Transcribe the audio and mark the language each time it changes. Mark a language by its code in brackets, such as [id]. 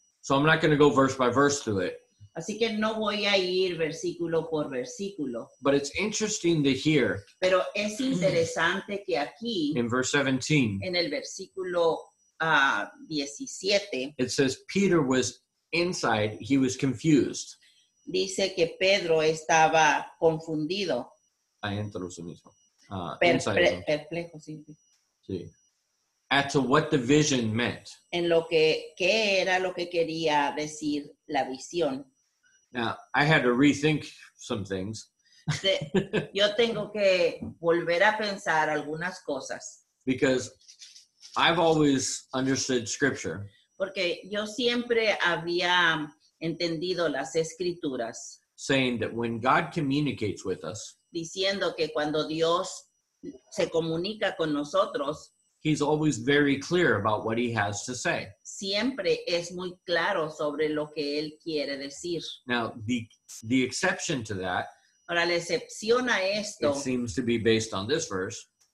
[en] So I'm not going to go verse by verse through it. [es] Así que no voy a ir versículo por versículo. [en] But it's interesting to hear. [es] Pero es interesante que aquí. [en] In verse 17. [es] En el versículo 17. [en] It says Peter was inside. He was confused. [es] Dice que Pedro estaba confundido. Adentro de sí mismo. Perplejo, sí. [en] Sí. As to what the vision meant. [es] En lo que, ¿qué era lo que quería decir la visión? [en] Now, I had to rethink some things. [es] Yo tengo que volver a pensar algunas cosas. [en] Because I've always understood scripture. [es] Porque yo siempre había entendido las escrituras. [en] Saying that when God communicates with us. [es] Diciendo que cuando Dios se comunica con nosotros. [en] He's always very clear about what he has to say. [es] Siempre es muy claro sobre lo que él quiere decir. [en] Now, the exception to that. [es] Ahora, la excepción a esto. [en] It seems to be based on this verse.